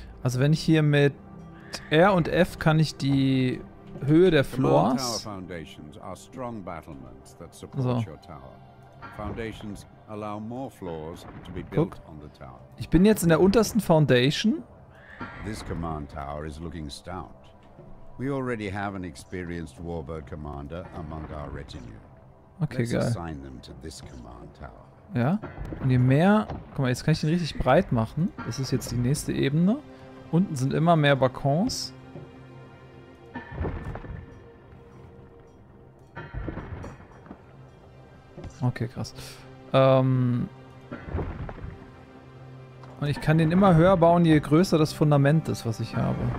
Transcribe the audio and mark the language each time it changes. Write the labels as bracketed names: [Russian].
[German] Also wenn ich hier mit R und F kann ich die Höhe der Floors. [English] Command tower foundations are strong battlements that support your tower. Foundations allow more floors to be built on the tower. [German] Ich bin jetzt in der untersten Foundation. [English] This command tower is looking stout. We already have an experienced warbird commander among our retinue. Okay, let's [German] geil. [English] Let's assign them to this command tower. [German] Ja. Und je mehr, guck mal, jetzt kann ich den richtig breit machen. Das ist jetzt die nächste Ebene. Unten sind immer mehr Balkons. Okay, krass. Und ich kann den immer höher bauen, je größer das Fundament ist, was ich habe.